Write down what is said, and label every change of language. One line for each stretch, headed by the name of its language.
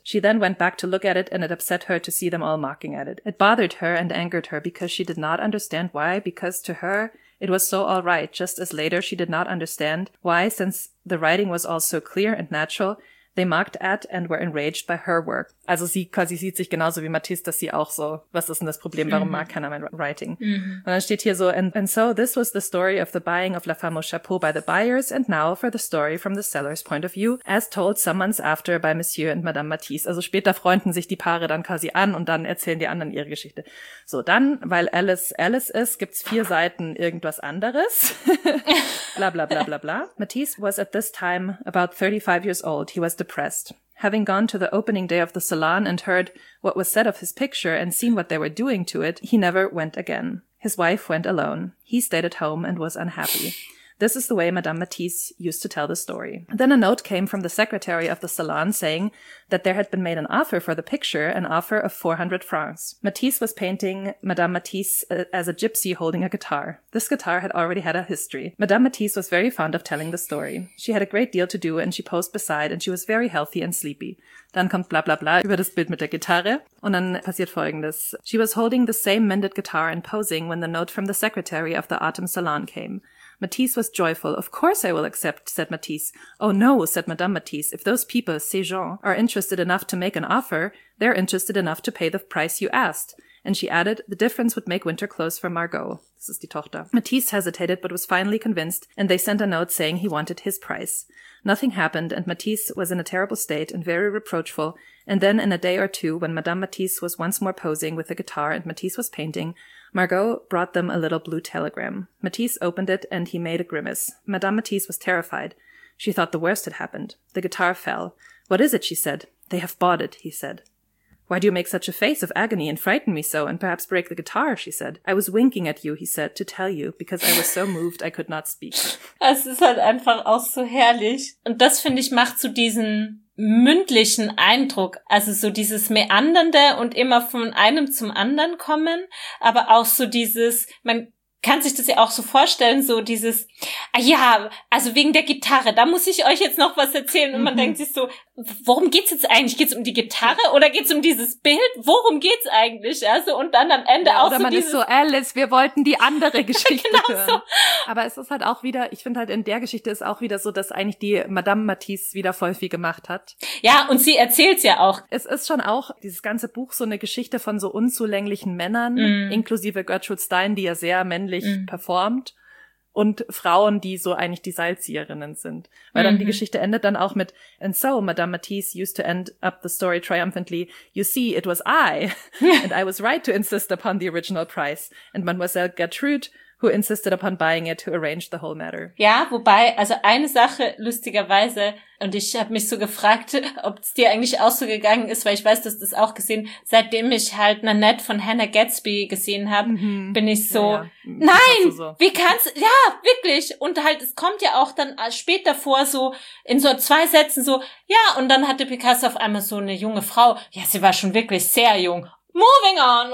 English: She then went back to look at it, and it upset her to see them all mocking at it. It bothered her and angered her because she did not understand why, because to her, it was so all right, just as later she did not understand why, since the writing was all so clear and natural, they mocked at and were enraged by her work.
German: Also sie quasi sieht sich genauso wie Matisse, dass sie auch so, was ist denn das Problem, warum mag keiner mein Writing? Mm-hmm. Und dann steht hier so,
English: and so this was the story of the buying of La Femme au Chapeau by the buyers, and now for the story from the seller's point of view, as told some months after by Monsieur and Madame Matisse.
German: Also später freunden sich die Paare dann quasi an und dann erzählen die anderen ihre Geschichte. So, dann, weil Alice Alice ist, gibt's vier Seiten irgendwas anderes. Bla bla bla bla bla.
English: Matisse was at this time about 35 years old. He was depressed. Having gone to the opening day of the salon and heard what was said of his picture and seen what they were doing to it, he never went again. His wife went alone. He stayed at home and was unhappy. This is the way Madame Matisse used to tell the story. Then a note came from the secretary of the salon saying that there had been made an offer for the picture, an offer of 400 francs. Matisse was painting Madame Matisse as a gypsy holding a guitar. This guitar had already had a history. Madame Matisse was very fond of telling the story. She had a great deal to do and she posed beside and she was very healthy and sleepy.
German: Dann kommt bla bla bla über das Bild mit der Gitarre und dann passiert Folgendes.
English: She was holding the same mended guitar and posing when the note from the secretary of the autumn salon came. Matisse was joyful. Of course I will accept, said Matisse. Oh no, said Madame Matisse. If those people,
French: ces gens,
English: are interested enough to make an offer, they're interested enough to pay the price you asked. And she added, the difference would make winter clothes for Margot.
German: Das ist die Tochter.
English: Matisse hesitated, but was finally convinced, and they sent a note saying he wanted his price. Nothing happened, and Matisse was in a terrible state and very reproachful. And then in a day or two, when Madame Matisse was once more posing with a guitar and Matisse was painting, Margot brought them a little blue telegram. Matisse opened it and he made a grimace. Madame Matisse was terrified. She thought the worst had happened. The guitar fell. What is it? She said. They have bought it, he said. Why do you make such a face of agony and frighten me so and perhaps break the guitar? She said. I was winking at you, he said, to tell you, because I was so moved I could not speak.
German: Es ist halt einfach auch so herrlich. Und das, finde ich, macht zu diesen mündlichen Eindruck, also so dieses Meandernde und immer von einem zum anderen kommen, aber auch so dieses, man kann sich das ja auch so vorstellen, so dieses, ja, also wegen der Gitarre, da muss ich euch jetzt noch was erzählen und man denkt sich so, worum geht's jetzt eigentlich? Geht's um die Gitarre oder geht's um dieses Bild? Worum geht's eigentlich? Also und dann am Ende auch so dieses... Oder man ist so, Alice, wir wollten die andere Geschichte genau hören. So. Aber es ist halt auch wieder, ich finde halt in der Geschichte ist auch wieder so, dass eigentlich die Madame Matisse wieder voll viel gemacht hat. Ja, und sie erzählt's ja auch. Es ist schon auch dieses ganze Buch so eine Geschichte von so unzulänglichen Männern, inklusive Gertrude Stein, die ja sehr männlich performt. Und Frauen, die so eigentlich die Seilzieherinnen sind. Weil dann die Geschichte endet dann auch mit
English: And so, Madame Matisse used to end up the story triumphantly. You see, it was I. And I was right to insist upon the original price. And Mademoiselle Gertrude, who insisted upon buying it, who arranged the whole matter.
German: Ja, wobei, also eine Sache, lustigerweise, und ich habe mich so gefragt, ob es dir eigentlich auch so gegangen ist, weil ich weiß, dass du es auch gesehen, seitdem ich halt Nanette von Hannah Gadsby gesehen habe, bin ich so, ja. Nein, so. Wie kannst du, ja, wirklich, und halt, es kommt ja auch dann später vor, so in so zwei Sätzen so, ja, und dann hatte Picasso auf einmal so eine junge Frau, ja, sie war schon wirklich sehr jung,
English: moving on.